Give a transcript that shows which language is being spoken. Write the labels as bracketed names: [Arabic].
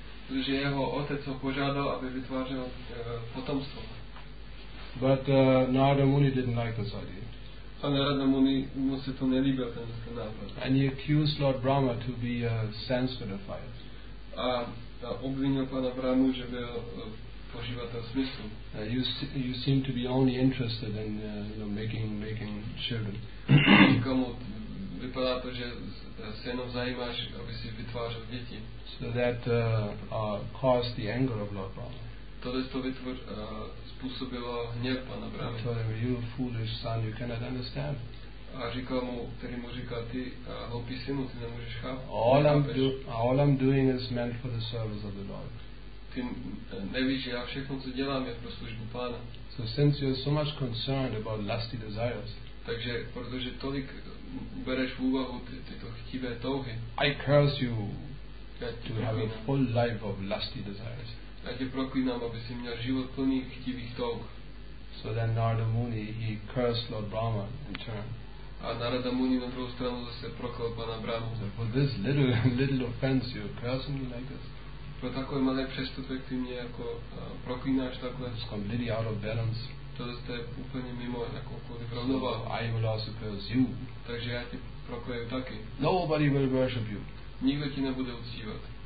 [Czech] Že jeho otec ho požádal, aby vytvářel potomstvo. [English] But Narada Muni didn't like this idea. [Czech] A Narada Muni mu se to nelíbil, ten nápad. [English] And he accused Lord Brahma to be a Sanskritifier. [Czech] A obvinil pana Brahmu, že byl poživatel smyslu. [English] You seem to be only interested in making children. [Czech] Komu vypadá to, že se jenom zajímáš, aby si vytvářel děti. [English] So that caused the anger of Lord Brahma. [Czech] Způsobilo hněv pana Brahmy. [English] Told him, you foolish son, you cannot understand. [Czech] A říkal mu, který mu říkal, ty hloupý synu, ty nemůžeš chápat. [English] All I'm doing is meant for the service of the Lord. [Czech] Ty nevíš, já všechno, co dělám, je pro službu pána. [English] So since you're so much concerned about lusty desires. [Czech] Takže protože tolik bereš v úvahu tyto chtivé touhy. [English] I curse you to have a full life of lusty desires. [Czech] Já tě proklínám, aby si měl život plný chtivých touh. [English] So then Narada Muni, he cursed Lord Brahma in turn. [Czech] A Narada Muni na druhou stranu zase proklal pana Brahmu. [English] So for this little offense, you're cursing me like this. [Czech] Pro takové malé přestupek ty mě jako proklínáš takhle. [English] It's completely out of balance. [Czech] To je úplně mimo jakoukoliv rovnováhu. [English] I will also curse you. [Czech] Takže já tě proklínám taky. [English] Nobody will worship you. [Czech] Nikdo ti nebude uctívat.